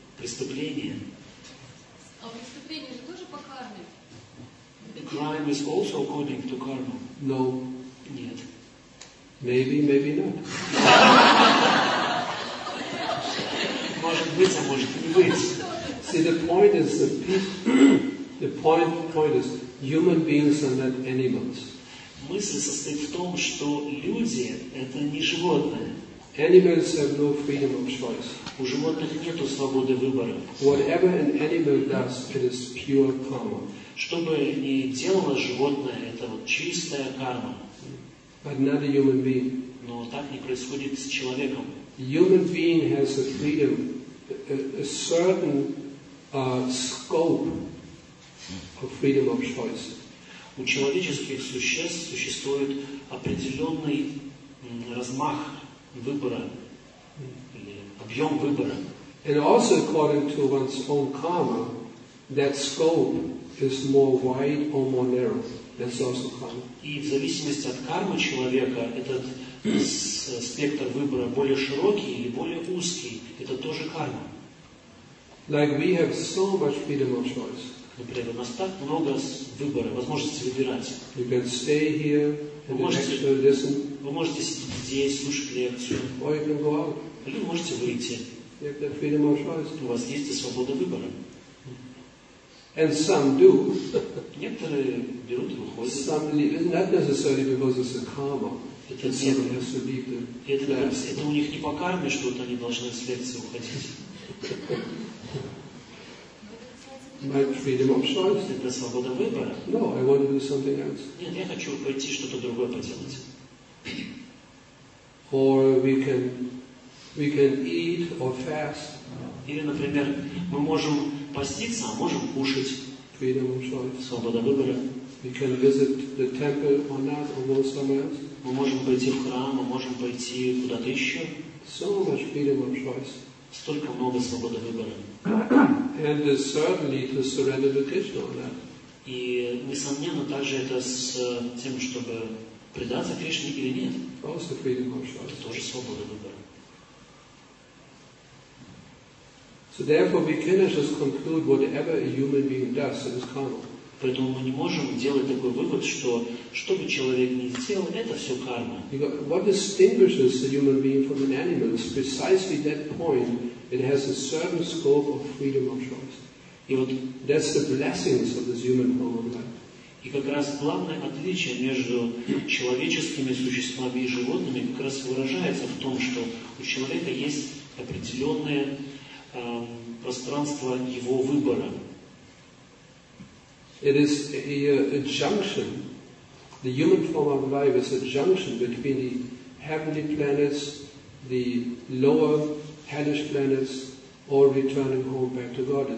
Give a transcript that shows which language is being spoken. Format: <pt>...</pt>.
<ru>Преступление. А преступление же тоже по карме?</ru> <en>Crime is also according to karma. No.</en> <ru>Нет.</ru> <en>Maybe, maybe not.</en> <ru>Может быть, а может не быть.</ru> <en>See, the point is that people, the point is human beings are not animals.</en> <ru>Мысль состоит в том, что люди – это не животные.</ru> <en>Animals have no freedom of choice.</en> <ru>У животных нету свободы выбора.</ru> <en>Whatever an animal does, it is pure karma.</en> <ru>Что бы ни делало животное, это вот чистая карма.</ru> <en>But not a human being.</en> <ru>Но так не происходит с человеком.</ru> <en>Human being has a freedom, a certain scope of freedom of choice.</en> <ru>У человеческих существ существует определенный размах выбора или объем выбора.</ru> <en>And also according to one's own karma, that scope is more wide or more narrow. That's also karma.</en> <ru>И в зависимости от кармы человека, этот спектр выбора более широкий или более узкий. Это тоже карма.</ru> <en>Like we have so much freedom of choice.</en> <ru>Например, у нас так много выбора, возможности выбирать.</ru> <en>You can stay here.</en> <ru>Вы можете сидеть здесь, слушать лекцию. Или вы можете выйти. У вас есть свобода выбора.</ru> <en>And some do.</en> <ru>Некоторые берут и выходят.</ru> <en>Some leave. Not necessarily because it's a karma.</en> <ru>Это</ru> <en>someone has to leave the class.</en> <ru>Это у них не по карме, что вот они должны с лекции уходить.</ru> <en>My freedom of choice.</en> <ru>Это свобода выбора.</ru> <en>No, I want to do something else.</en> <ru>Нет, я хочу пойти что-то другое поделать.</ru> <en>Or we can eat or fast.</en> <ru>Или, например, мы можем поститься, а можем кушать.</ru> <en>Freedom of choice.</en> <ru>Свобода выбора.</ru> <en>We can visit the temple or not, or go somewhere else.</en> <ru>Мы можем пойти в храм, мы можем пойти куда-то еще.</ru> <en>So much freedom of choice.</en> <ru>Столько много свободы выбора.</ru> <en>And certainly to surrender to Krishna, right?</en> <ru>И несомненно также это с тем, чтобы предаться Кришне или нет.</ru> <en>Also freedom of choice.</en> <ru>Это тоже свобода выбора.</ru> <en>So therefore we cannot just conclude whatever a human being does, it is karma.</en> <ru>Поэтому мы не можем делать такой вывод, что бы человек ни сделал, это все карма.</ru> <en>What distinguishes a human being from an animal is precisely that point. It has a certain scope of freedom of choice.</en> <ru>И вот</ru> <en>that's the blessings of this human form of life.</en> <ru>И как раз главное отличие между человеческими существами и животными как раз выражается в том, что у человека есть определенное пространство его выбора.</ru> <en>It is a junction. The human form of life is a junction between the heavenly planets, the lower hellish planets or returning home back to God.</en>